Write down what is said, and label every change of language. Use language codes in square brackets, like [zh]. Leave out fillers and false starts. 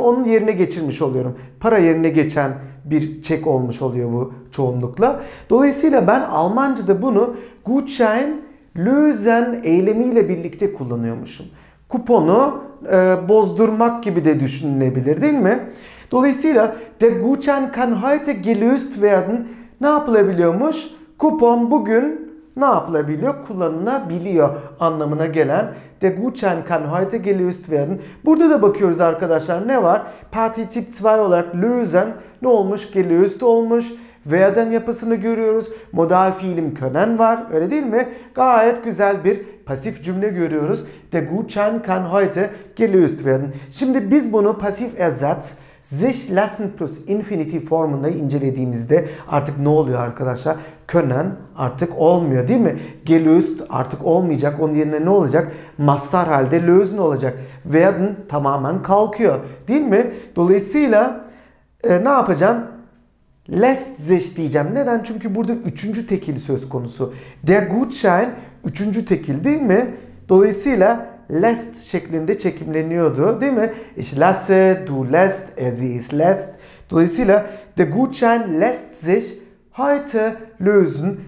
[tr] Onun yerine geçirmiş oluyorum. Para yerine geçen bir çek olmuş oluyor bu çoğunlukla. Dolayısıyla ben Almanca'da bunu Gutschein lösen eylemiyle birlikte kullanıyormuşum. Kuponu bozdurmak gibi de düşünülebilir, değil mi? [de] Dolayısıyla der Gutschein kann heute gelöst werden [tr] ne yapılabiliyormuş? Kupon bugün ne yapılabiliyor? Kullanılabiliyor anlamına gelen [de] der Gutschein kann heute gelöst werden. [tr] Burada da bakıyoruz arkadaşlar, ne var? Partizip 2 olarak lösen ne olmuş? Gelöst olmuş. Werden yapısını görüyoruz. Modal fiilim können var. Öyle değil mi? Gayet güzel bir pasif cümle görüyoruz. [de] Der Gutschein kann heute gelöst werden. [tr] Şimdi biz bunu pasif ersatz sich lassen plus infinitiv formunda incelediğimizde artık ne oluyor arkadaşlar? Können artık olmuyor, değil mi? Gelöst artık olmayacak. Onun yerine ne olacak? Mazhar halde lösen olacak. Werden tamamen kalkıyor, değil mi? Dolayısıyla ne yapacağım? Lässt sich diyeceğim. Neden? Çünkü burada üçüncü tekil söz konusu. Der Gutschein üçüncü tekil, değil mi? Dolayısıyla lässt şeklinde çekimleniyordu, değil mi? [de] Ich lasse, du lässt, er sie ist lässt. Dolayısıyla der Gutschein lässt sich heute lösen.